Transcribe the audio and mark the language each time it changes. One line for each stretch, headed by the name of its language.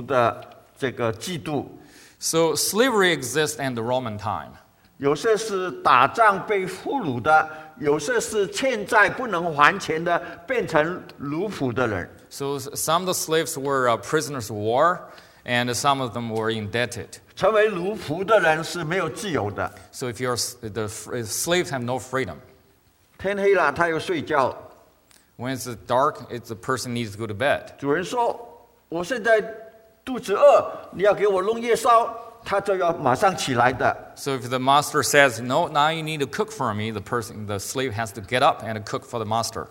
Chinese: 在圣经那个时年代，在罗马的时代是有奴仆的这个制度。
English: So slavery exists in the Roman time.
Chinese: 有些是打仗被俘虏的，有些是欠债不能还钱的，变成奴仆的人。
English: So some of the slaves were prisoners of war, and some of them were indebted.
Chinese: 成为奴仆的人是没有自由的。
English: So if you're the slaves have no freedom.
Chinese: 天黑了，他要睡觉。
English: When it's dark, the person needs to go to bed.
Chinese: 主人说，我现在肚子饿，你要给我弄夜宵。
English: So if the master says, no, now you need to cook for me, the slave has to get up and cook for the master.